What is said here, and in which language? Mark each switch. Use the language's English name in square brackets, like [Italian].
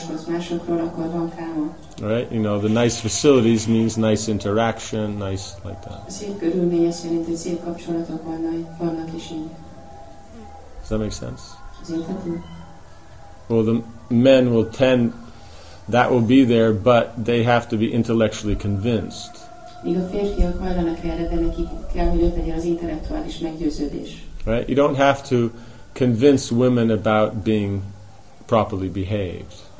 [English] Right? You know, the nice facilities means nice interaction, nice like that. Does that make sense? Well, the men will tend, that will be there, but they have to be intellectually convinced. [Hungarian] Míg a férfiak hajlanak erre, de neki kell, hogy ott legyen az intellektuális meggyőződés. [English] Right? You don't have to convince women about being properly behaved.